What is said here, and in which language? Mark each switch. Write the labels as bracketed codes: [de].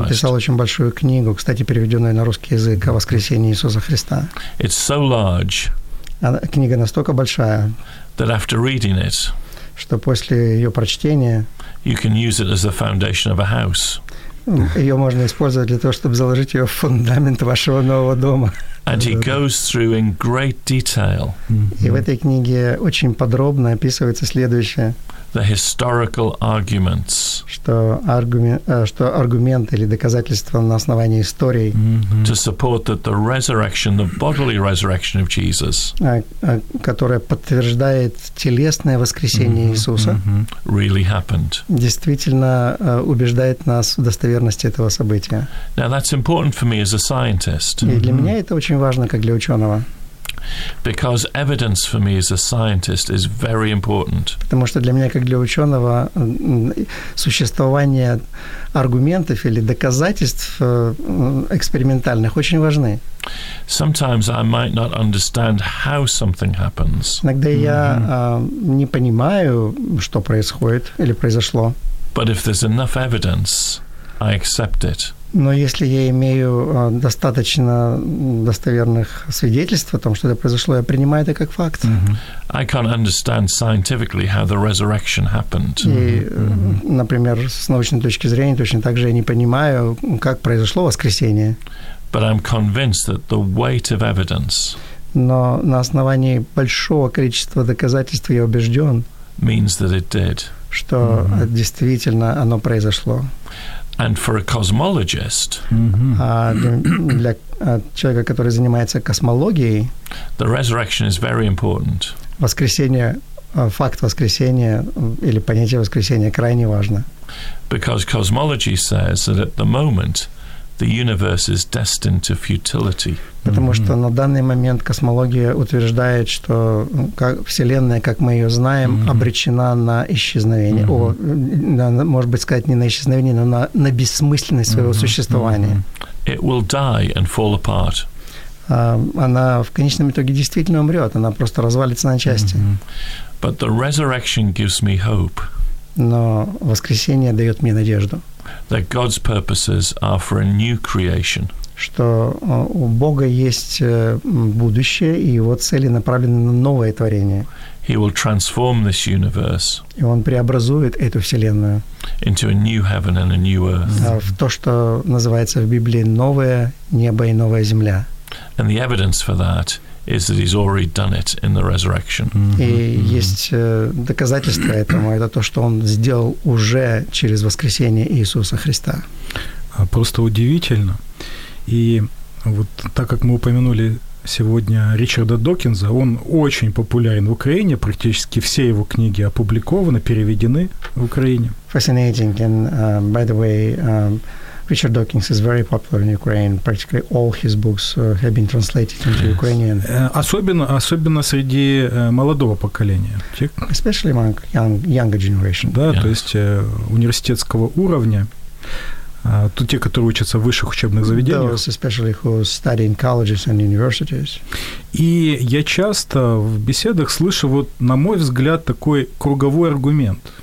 [ru] Написал очень большую книгу, кстати, переведенную на русский язык, о воскресении Иисуса Христа. [en] It's so large. [ru] Книга настолько большая. [en] That after reading it. [ru] Что после ее прочтения. [en] You can use it as the foundation of a house. [ru] Ее можно использовать для того, чтобы заложить ее в фундамент вашего нового дома. [en] And he goes through in great detail. [ru] И в этой книге очень подробно описывается следующее. [en] The historical arguments. [ru] Что аргумент или доказательства на основании истории. [en] To support that the resurrection, the bodily resurrection of Jesus. [ru] Которая подтверждает телесное воскресение Иисуса. [en] Really happened. [ru] Действительно убеждает нас в достоверности этого события. [en] Now that's important for me as a scientist. [ru] И для меня это очень важно, как для ученого. [en] Because evidence for me as a scientist is very important. [ru] Потому что для меня, как для ученого, существование аргументов или доказательств экспериментальных очень важны. [en] Sometimes I might not understand how something happens. [ru] Иногда я не понимаю, что происходит или произошло. [en] But if there's enough evidence, I accept it. [ru] Но если я имею достаточно достоверных свидетельств о том, что это произошло, я принимаю это как факт. [en] I can't understand scientifically how the resurrection happened. [ru] И, например, с научной точки зрения точно так же я не понимаю, как произошло воскресение. [en] But I'm convinced that the weight of evidence. [ru] Но на основании большого количества доказательств я убежден. [en] Means that it did. [ru] Что действительно оно произошло. [en] And for a cosmologist, [ru] для человека, который занимается космологией, [en] the resurrection is very important. [ru] Воскресение, факт воскресения или понятие воскресения крайне важно. [en] Because cosmology says that at the moment the universe is destined to futility. [ru] Потому что на данный момент космология утверждает, что Вселенная, как мы ее знаем, обречена на исчезновение. Может быть, сказать не на исчезновение, но на бессмысленность своего существования. [en] It will die and fall apart. [ru] Она в конечном итоге действительно умрет, она просто развалится на части. [en] But the resurrection gives me hope. [ru] Но воскресение дает мне надежду. [en] That God's purposes are for a new creation. [ru] Что у Бога есть будущее, и его цели направлены на новое творение. [en] He will transform this universe. [ru] И он преобразует эту вселенную. [en] Into a new heaven and a new earth. [ru] В то, что называется в Библии новое небо и новая земля. [en] And the evidence for that is that he's already done it in the resurrection. [ru] И есть доказательства этому. Это то, что он сделал уже через воскресение Иисуса Христа. Просто удивительно. И вот так как мы упомянули сегодня Ричарда Докинза, он очень популярен в Украине, практически все его книги опубликованы, переведены в Украине. [en] Fascinating. And by the way, Richard Dawkins is very popular in Ukraine. Practically all his books have been translated into Ukrainian. [ru] Особенно среди молодого поколения. [en] Especially among younger generation. [ru] Да, то есть университетского уровня. Тут те, которые учатся в высших учебных заведениях. [en] Those especially who study in colleges and universities. [ru] И я часто в беседах слышу, вот, на мой взгляд, такой круговой аргумент.